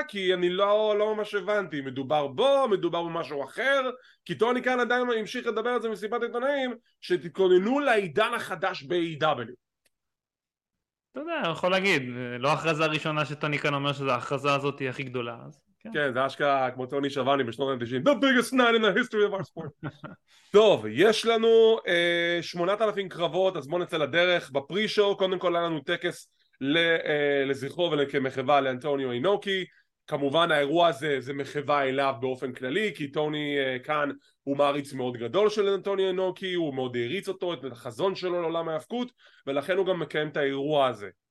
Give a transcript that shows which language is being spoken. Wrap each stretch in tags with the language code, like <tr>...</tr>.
<he>כי אני לא ממש הבנתי, מדובר בו, מדובר במשהו אחר, כי טוני כאן עדיין המשיך לדבר על זה מסיבת עיתונאים, שתתכוננו לעידן החדש ב-AEW. אתה יודע, אני יכול להגיד, לא ההכרזה הראשונה שטוני כאן אומר שזו ההכרזה הזאת היא הכי גדולה, אז... כן, זה אשכרה כמו טוני שבני בשנות ה-90.</he> <en>The biggest night in the history of our sport.</en> <he>טוב, יש לנו 8,000 קרבות, אז בואו נצא לדרך. בפרי-שואו, קודם כל, היה לנו טקס לזכרו ולכמחווה לאנטוניו אינוקי. כמובן, האירוע הזה זה מחווה אליו באופן כללי, כי טוני כאן הוא מעריץ מאוד גדול של אנטוניו אינוקי, הוא מאוד העריץ אותו, את החזון שלו לעולם ההפקות, ולכן הוא גם מקיים את האירוע הזה.</he>